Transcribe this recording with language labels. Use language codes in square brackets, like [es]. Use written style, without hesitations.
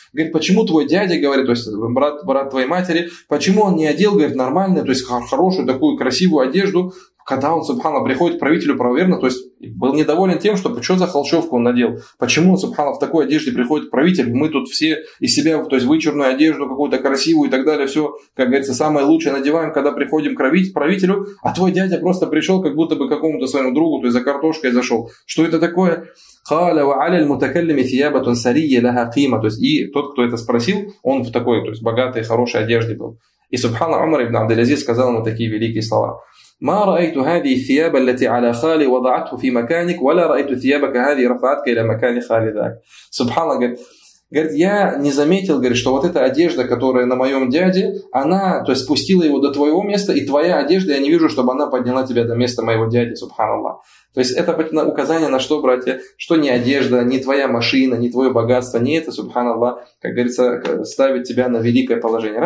[ru] Говорит, почему твой дядя, говорит, то есть брат твоей матери, почему он не одел, говорит, нормальную, то есть хорошую такую красивую одежду, когда он, субхана, приходит к правителю правоверных, то есть был недоволен тем, что что за холщовку он надел, почему он, субхана, в такой одежде приходит к правителю, мы тут все из себя, то есть вычурную одежду какую-то красивую и так далее, все, как говорится, самое лучшее надеваем, когда приходим к правителю, а твой дядя просто пришел, как будто бы к какому-то своему другу, то есть за картошкой зашел. Что это такое? [ar] Хала ва аля аль-мутакаллими фиябатун сария лаха кима. [ru] То есть и тот, кто это спросил, он в такой, то есть богатой, хорошей одежде был. И, субхана, Умар ибн Абдель-Азиз сказал ему такие великие слова: [ar] ما رأيت هذه الثياب التي على خالي وضعته في مكانك ولا رأيت ثيابك هذه رفعتك إلى مكان خالي ذاك. سبحان الله. [ru] Говорит, я не заметил, говорит, что вот эта одежда, которая на моем дяде, она, то есть, спустила его до твоего места, и твоя одежда, я не вижу, чтобы она подняла тебя до места моего дяди, субханаллах. То есть, это указание на что, братья? Что ни одежда, ни твоя машина, ни твое богатство, не это, субханаллах, как говорится, ставит тебя на великое положение.